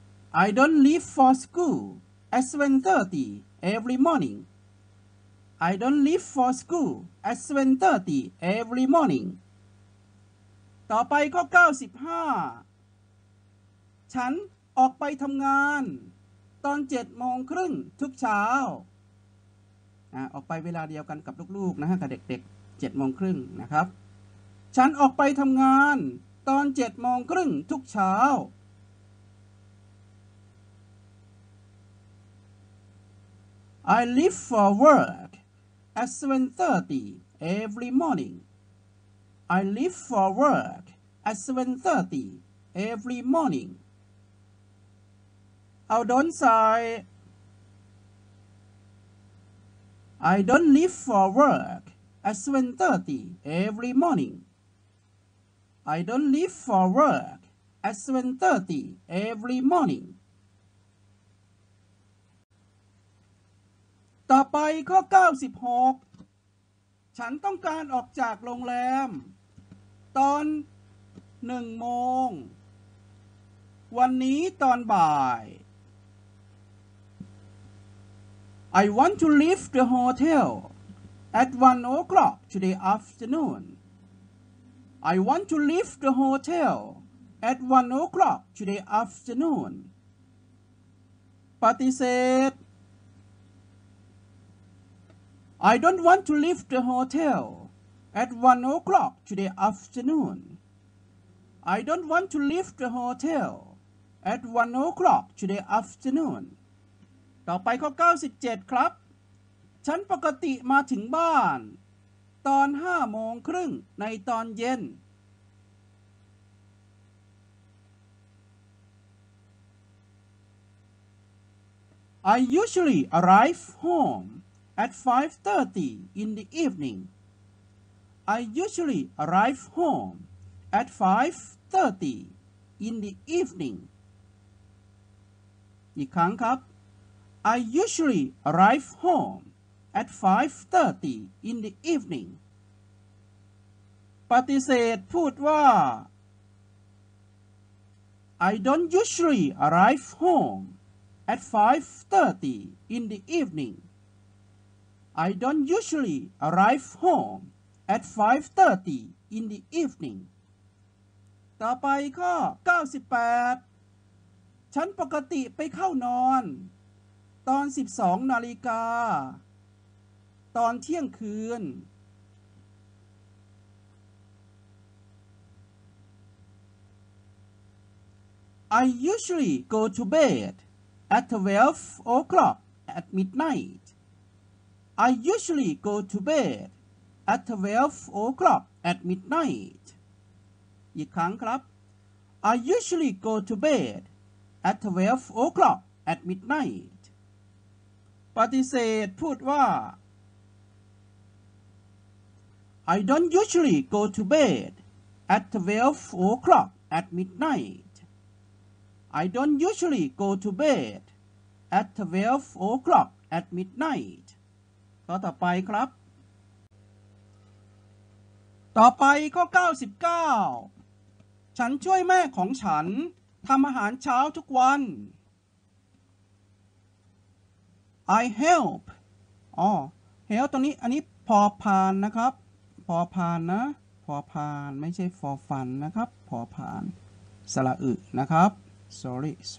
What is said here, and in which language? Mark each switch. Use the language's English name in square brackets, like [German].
[English] I don't leave for school at 7:30 every morning. I don't leave for school at 7:30 every morning. [Thai] ต่อไปข้อ95ฉันออกไปทำงานตอน7โมงครึ่งทุกเช้าออกไปเวลาเดียวกันกับลูกๆนะฮะกับเด็กๆ7โมงครึ่งนะครับฉันออกไปทำงานตอน7โมงครึ่งทุกเช้า [English] I leave for work at 7:30 every morning. I leave for work at 7:30 every morning. [Thai] เอาโดนใส่ [English] I don't leave for work at 7:30 every morning. I don't leave for work at 7:30 every morning. [Thai] ต่อไปข้อ96ฉันต้องการออกจากโรงแรมตอน1โมงวันนี้ตอนบ่าย [English] I want to leave the hotel at 1 o'clock today afternoon I want to leave the hotel at 1 o'clock today afternoon [Thai] ปฏิเสธ [English] I don't want to leave the hotel at 1 o'clock today afternoon. I don't want to leave the hotel at 1 o'clock today afternoon. [Thai] ต่อไปข้อ97ครับฉันปกติมาถึงบ้านตอน5โมงครึ่งในตอนเย็น [English] I usually arrive home at 5:30 in the evening. I usually arrive home at 5:30 in the evening. [Thai] อีกครั้งครับ [English] I usually arrive home at 5:30 in the evening. [Thai] ปฏิเสธพูดว่า [English] I don't usually arrive home at 5:30 in the evening. I don't usually arrive home at 5:30 in the evening. [Thai] ต่อไปข้อ98ฉันปกติไปเข้านอนตอน12นาฬิกาตอนเที่ยงคืน [English] I usually go to bed at 12 o'clock at midnight. I usually go to bed at 12 o'clock at midnight. [Thai] อีกครั้งครับ [English] I usually go to bed at 12 o'clock at midnight. [Thai] ปฏิเสธพูดว่า [English] I don't usually go to bed at 12 o'clock at midnight. I don't usually go to bed at 12 o'clock at midnight. [Thai] ข้อต่อไปครับต่อไปข้อ99ฉันช่วยแม่ของฉันทำอาหารเช้าทุกวัน [English] I help help [Thai] ตรงนี้อันนี้พอผ่านนะครับพอผ่านนะพอผ่านไม่ใช่ [English] for fun [Thai] นะครับพอผ่านสระอึนะครับ [English] Sorry.